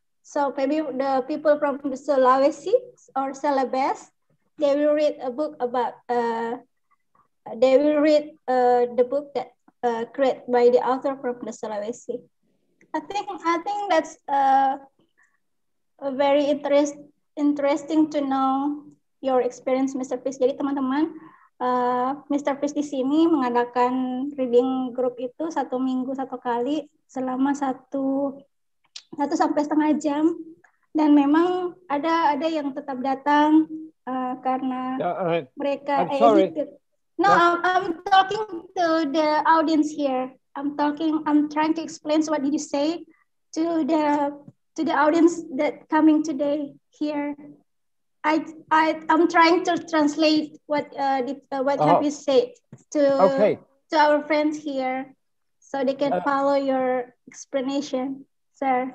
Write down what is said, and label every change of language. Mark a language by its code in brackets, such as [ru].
[en] So maybe the people from Sulawesi or Celebes, they will read a book about they will read the book that created by the author from the Sulawesi. I think that's a very interesting to know your experience, Mr. [id] Fish. Jadi teman-teman, Mr. Fish di sini mengadakan reading group itu satu minggu satu kali selama satu sampai setengah jam, dan memang ada yang tetap datang karena mereka. [en] I'm sorry. No, I'm talking to the audience here. I'm trying to explain what did you say to the audience that coming today here. I'm trying to translate what have you said to our friends here, so they can follow your explanation, sir.